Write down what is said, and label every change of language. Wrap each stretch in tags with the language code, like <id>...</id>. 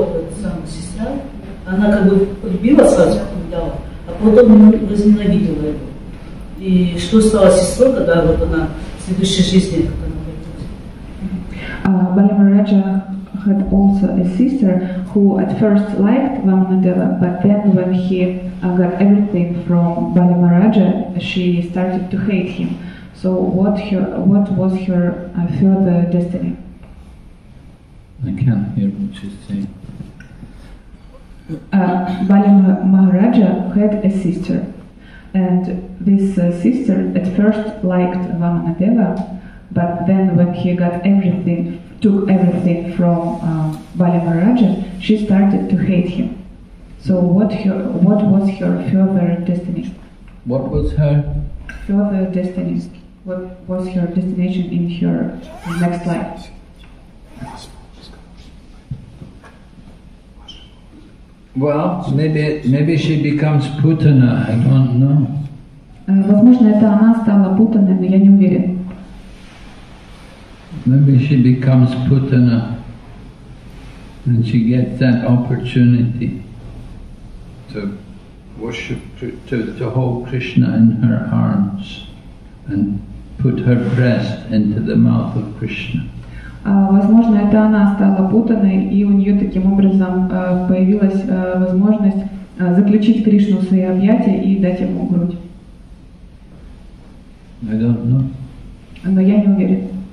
<ru>Мама надевается, все забрала. Вот, эта самая сестра, она как бы любила сразу, а потом возненавидела его. И что стало с сестрой, когда вот она в следующей жизни, как она говорит?</ru> <en>Бали Мараджа had also a sister who at first liked Vamanadeva, but then when he got everything from Бали Мараджа, she started to hate him. So what was her further destiny? I can't hear what she's saying. Bali Maharaja had a sister, and this sister at first liked Vamanadeva, but then when he got everything, took everything from Bali Maharaja, she started to hate him. So what was her further destiny? What was her further destiny? What was your destination in your next life? Well, maybe she becomes Putana. I don't know.</en> <ru>Возможно, это она стала Путаной, но я не уверен.</ru> <en>Maybe she becomes Putana, and she gets that opportunity to worship to hold Krishna in her arms and put her breast into the mouth of Krishna.</en> <ru>Возможно, это она стала путаной, и у нее таким образом появилась возможность заключить Кришну в свои объятия и дать ему грудь.</ru> <en>I don't know.</en> <ru>Но я не уверен.</ru>